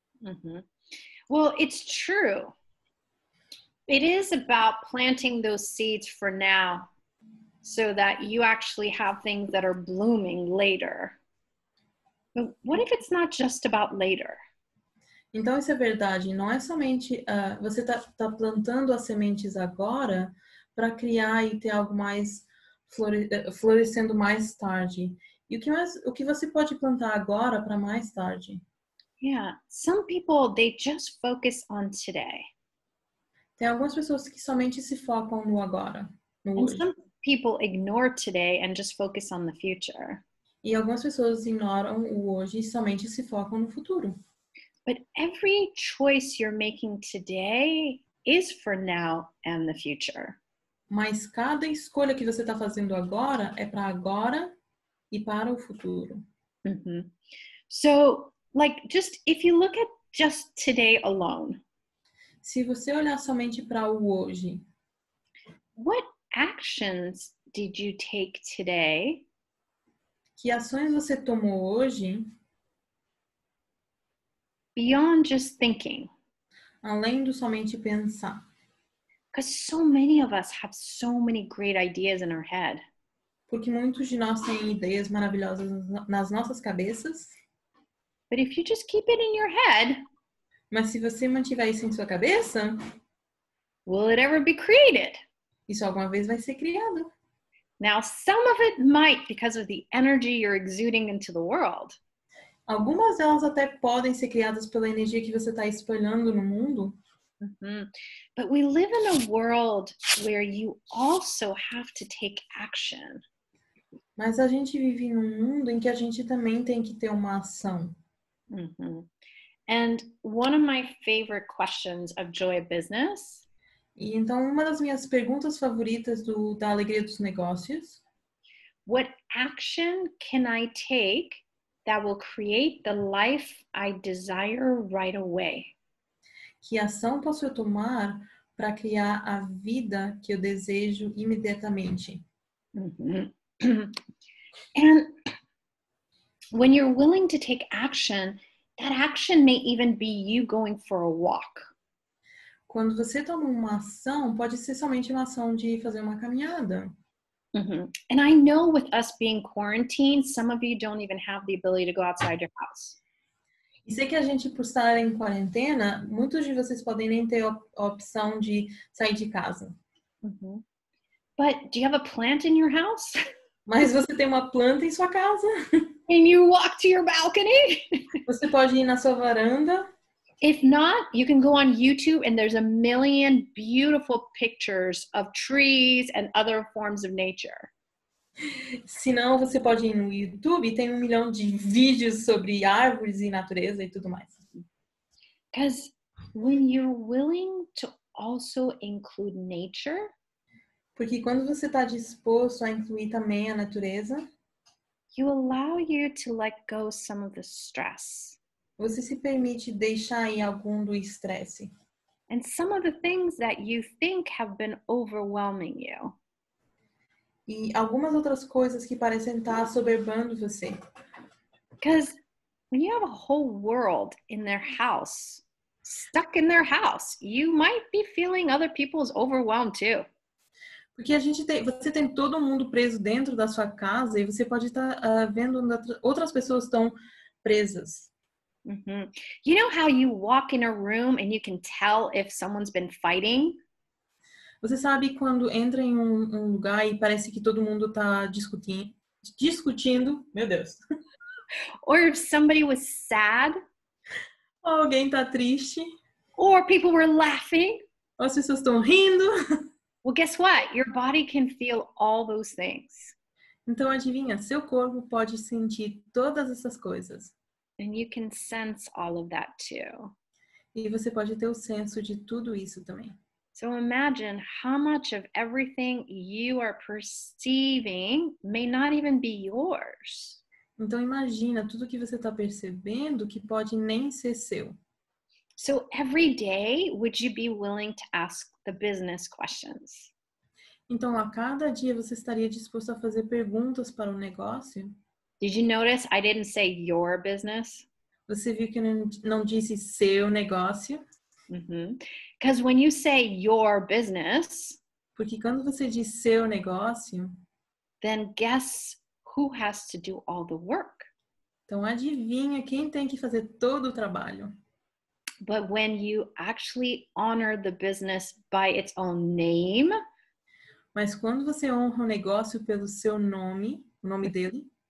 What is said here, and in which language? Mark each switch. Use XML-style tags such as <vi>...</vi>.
<en>Mm-hmm. Well, it's true. It is about planting those seeds for now so that you actually have things that are blooming later. But what if it's not just about later?</en> <pt>Então, isso é verdade. Não é somente você tá plantando as sementes agora para criar e ter algo mais florescendo mais tarde. E o que você pode plantar agora para mais tarde?</pt> <en>Yeah, some people, they just focus on today.</en> <pt>Tem algumas pessoas que somente se focam no agora, no hoje.</pt> <en>And some people ignore today and just focus on the future.</en> <pt>E algumas pessoas ignoram o hoje e somente se focam no futuro.</pt> <en>But every choice you're making today is for now and the future.</en> <pt>Mas cada escolha que você está fazendo agora é para agora e para o futuro. Mm-hmm.</pt> <en>So, like, just if you look at just today alone.</en> <pt>Se você olhar somente para o hoje.</pt> <en>What actions did you take today?</en> <pt>Que ações você tomou hoje?</pt> <en>Beyond just thinking.</en> <pt>Além do somente pensar.</pt> <en>Because so many of us have so many great ideas in our head.</en> <pt>Porque muitos de nós têm ideias maravilhosas nas nossas cabeças.</pt> <en>But if you just keep it in your head.</en> <pt>Mas se você mantiver isso em sua cabeça.</pt> <en>Will it ever be created?</en> <pt>Isso alguma vez vai ser criado.</pt> <en>Now some of it might because of the energy you're exuding into the world.</en> <pt>Algumas delas até podem ser criadas pela energia que você está espalhando no mundo. Mm-hmm.</pt> <en>But we live in a world where you also have to take action.</en> <pt>Mas a gente vive num mundo em que a gente também tem que ter uma ação. Mm-hmm.</pt> <en>And one of my favorite questions of joy of business.</en> <pt>E então uma das minhas perguntas favoritas da alegria dos negócios.</pt> <en>What action can I take that will create the life I desire right away?</en> <pt>Que ação posso eu tomar para criar a vida que eu desejo imediatamente? Mm-hmm.</pt> <en>And when you're willing to take action, that action may even be you going for a walk.</en> <pt>Quando você toma uma ação, pode ser somente uma ação de fazer uma caminhada. Mm-hmm.</pt> <en>And I know with us being quarantined, some of you don't even have the ability to go outside your house.</en> <pt>E sei que a gente, por estar em quarentena, muitos de vocês podem nem ter a opção de sair de casa. Mm-hmm.</pt> <en>But do you have a plant in your house?</en> <pt>Mas você tem uma planta em sua casa?</pt> <en>Can you walk to your balcony?</en> <pt>Você pode ir na sua varanda?</pt> <en>If not, you can go on YouTube and there's a million beautiful pictures of trees and other forms of nature.</en> <pt>Se não, você pode ir no YouTube e tem um milhão de vídeos sobre árvores e natureza e tudo mais.</pt> <en>Because when you're willing to also include nature,</en> <pt>porque quando você está disposto a incluir também a natureza,</pt> <en>you allow you to let go some of the stress.</en> <pt>Você se permite deixar aí algum do estresse.</pt> <en>And some of the things that you think have been overwhelming you.</en> <pt>E algumas outras coisas que parecem estar soberbando você.</pt> <en>Because when you have a whole world in their house, stuck in their house, you might be feeling other people's overwhelm too.</en> <pt>Porque a gente tem, você tem todo mundo preso dentro da sua casa e você pode estar vendo outras pessoas estão presas. Mm-hmm.</pt> <en>You know how you walk in a room and you can tell if someone's been fighting?</en> <pt>Você sabe quando entra em um lugar e parece que todo mundo está discutindo? Meu Deus!</pt> <en>Or if somebody was sad.</en> <pt>Ou alguém está triste.</pt> <en>Or people were laughing.</en> <pt>Ou as pessoas estão rindo.</pt> <en>Well, guess what? Your body can feel all those things.</en> <pt>Então, adivinha? Seu corpo pode sentir todas essas coisas.</pt> <en>And you can sense all of that too.</en> <pt>E você pode ter o senso de tudo isso também.</pt> <en>So imagine how much of everything you are perceiving may not even be yours.</en> <pt>Então imagina tudo que você está percebendo que pode nem ser seu.</pt> <en>So every day, would you be willing to ask the business questions?</en> <pt>Então a cada dia você estaria disposto a fazer perguntas para o negócio?</pt> <en>Did you notice I didn't say your business?</en> <pt>Você viu que eu não disse seu negócio?</pt> <en>Mm-hmm. Because when you say your business,</en> <pt>porque quando você diz seu negócio,</pt> <en>then guess who has to do all the work?</en> <pt>Então adivinha quem tem que fazer todo o trabalho?</pt> <en>But when you actually honor the business by its own name,</en> <pt>mas quando você honra o negócio pelo seu nome, o nome dele,</pt>